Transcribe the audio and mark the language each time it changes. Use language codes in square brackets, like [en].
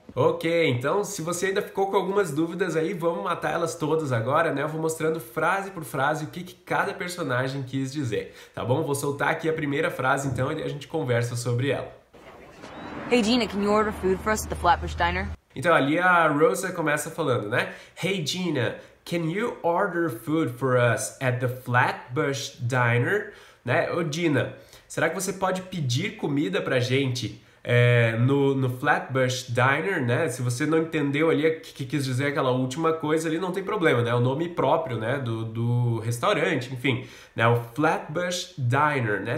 [pt] Ok, então se você ainda ficou com algumas dúvidas aí, vamos matar elas todas agora, né? Eu vou mostrando frase por frase o que, que cada personagem quis dizer, tá bom? Vou soltar aqui a primeira frase então e a gente conversa sobre ela. [en] Hey Gina, can you order food for us at the Flatbush Diner? [pt] Então ali a Rosa começa falando, né? [en] Hey Gina, can you order food for us at the Flatbush Diner? [pt] Né? Ô Gina, será que você pode pedir comida pra gente? No Flatbush Diner, né? Se você não entendeu ali o que quis dizer aquela última coisa ali, não tem problema, né? O nome próprio, né? Do restaurante, enfim, né? O Flatbush Diner, né?